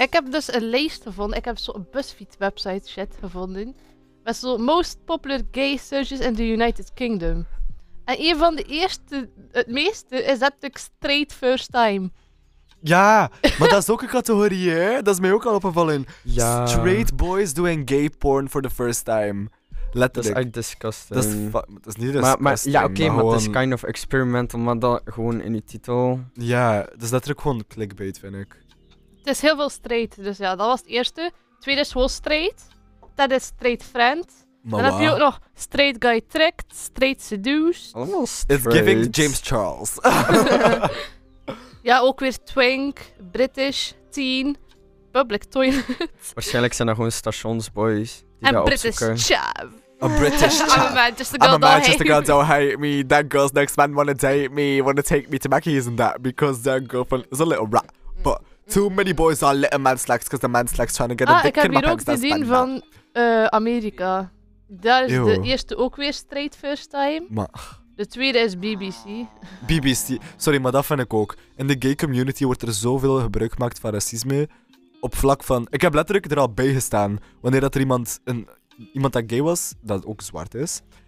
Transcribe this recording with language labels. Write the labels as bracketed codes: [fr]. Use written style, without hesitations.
[nl] Ik heb dus een lijst gevonden. Ik heb zo'n BuzzFeed website shit gevonden. Met zo'n [en] most popular gay searches in the United Kingdom. [nl] En een van de eerste, het meeste, is dat ik [en] straight first time. [nl] Ja, maar dat is ook een categorie, hè? Dat is mij ook al opgevallen. Ja. [en] Straight boys doing gay porn for the first time. [nl] Letterlijk. Dat is echt disgusting. Dat is niet disgusting. Maar, ja, oké, okay, maar het is [en] kind of experimental, [nl] maar dat gewoon in je titel. Ja, dus dat is gewoon clickbait, vind ik. Het is heel veel straight, dus ja, dat was het eerste. Tweede is wel straight. Dat is straight friend. Maar en dan heb je ook nog [en] straight guy tricked, straight seduced. [nl] Allemaal straight. [en] It's giving James Charles. [nl] Ja, ook weer twink, British, teen, public toilet. Waarschijnlijk zijn dat gewoon stationsboys. Een British chav. [en] I'm a Manchester girl. I'm a Manchester girl, don't hate me. That girl's next man wanna date me, wanna take me to Mackey's and that, because that girl is a little rat. But too many boys are little man slacks, because the man slacks trying to get a dick in my pants. [nl] Ik heb hier ook gezien van Amerika. Daar is de eerste ook weer straight first time. De tweede is BBC. BBC, sorry, maar dat vind ik ook. In de gay community wordt er zoveel gebruik gemaakt van racisme. Op vlak van... Ik heb letterlijk er al bij gestaan. Wanneer dat er iemand dat gay was, dat ook zwart is.